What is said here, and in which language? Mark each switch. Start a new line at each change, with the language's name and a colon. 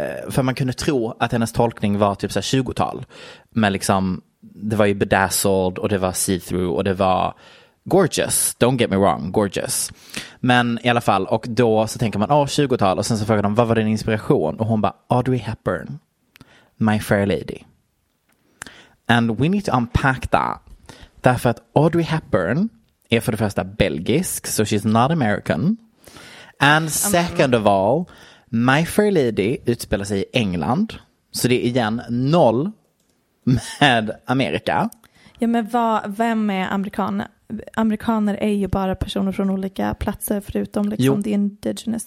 Swedish: för man kunde tro att hennes tolkning var typ så här 20-tal. Men liksom... Det var ju bedazzled och det var see-through och det var...
English: Gorgeous, don't get me wrong, gorgeous.
Swedish: Men i alla fall, och då så tänker man, 20-tal. Och sen så frågar de, vad var din inspiration? Och hon bara, Audrey Hepburn. My Fair Lady.
English: And we need to unpack that.
Swedish: Därför att Audrey Hepburn är för det första belgisk,
English: so she's not American. And second of all, My Fair Lady
Swedish: utspelar sig i England. Så det är igen noll med Amerika. Ja, men vem är amerikaner? Amerikaner är ju bara personer från olika platser förutom liksom, jo,
English: the indigenous.